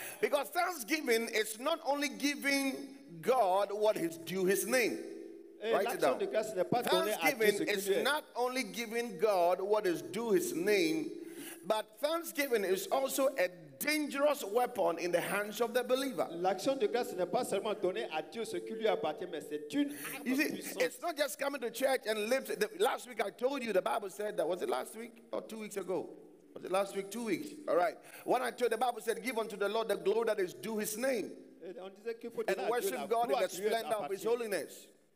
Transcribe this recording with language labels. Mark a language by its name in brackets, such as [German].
[English] Because thanksgiving is not only giving God what is due his name. Write it down. Thanksgiving is not only giving God what is due his name, but thanksgiving is also a dangerous weapon in the hands of the believer. [French] L'action de grâce n'est pas seulement donner à Dieu ce qui lui appartient, mais c'est une arme puissante. [English] It's not just coming to church and lift. Last week I told you the Bible said that. Was it last week or 2 weeks ago? Was it last week? 2 weeks. All right. When I told the Bible said, give unto the Lord the glory that is due his name. And worship God in the splendor of his holiness.